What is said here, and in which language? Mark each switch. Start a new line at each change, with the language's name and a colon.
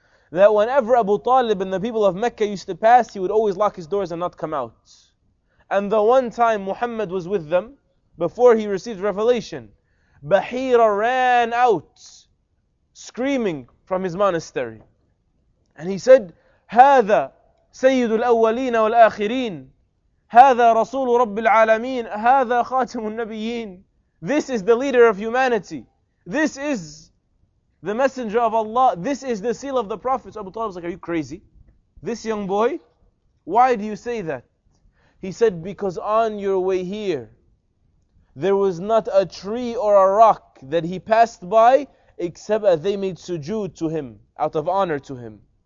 English: That whenever Abu Talib and the people of Mecca used to pass, he would always lock his doors and not come out. And the one time Muhammad was with them, before he received revelation, Bahira ran out, screaming from his monastery. And he said,
Arabic: هَذَا سَيِّدُ الْأَوَّلِينَ وَالْآخِرِينَ هذا رسول رب العالمين هذا خاتم النبيين.
English: This is the leader of humanity. This is the messenger of Allah. This is the seal of the prophets. Abu Talib was like, are you crazy? This young boy? Why do you say that? He said, because on your way here, there was not a tree or a rock that he passed by, except that they made sujood to him, out of honor to him.